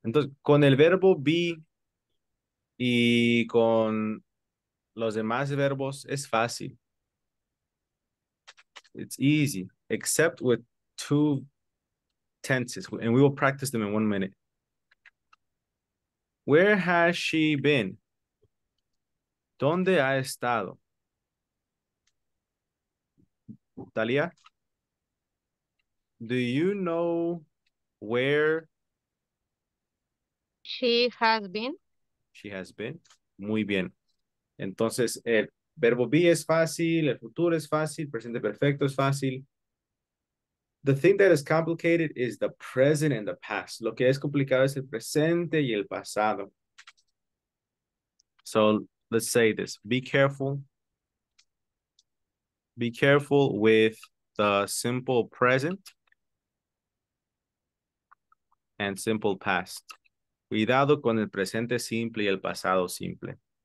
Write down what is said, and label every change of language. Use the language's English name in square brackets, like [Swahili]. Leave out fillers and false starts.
[Spanish] Entonces, con el verbo be y con los demás verbos es fácil. [English] It's easy, except with two tenses, and we will practice them in 1 minute. Where has she been? ¿Dónde ha estado? Talia? Do you know where she has been? She has been. Muy bien. [Spanish] Entonces, el verbo be es fácil, el futuro es fácil, presente perfecto es fácil. [English] The thing that is complicated is the present and the past. [Spanish] Lo que es complicado es el presente y el pasado. [English] So, let's say this. Be careful. Be careful with the simple present and simple past. [Spanish] Cuidado con el presente simple y el pasado simple.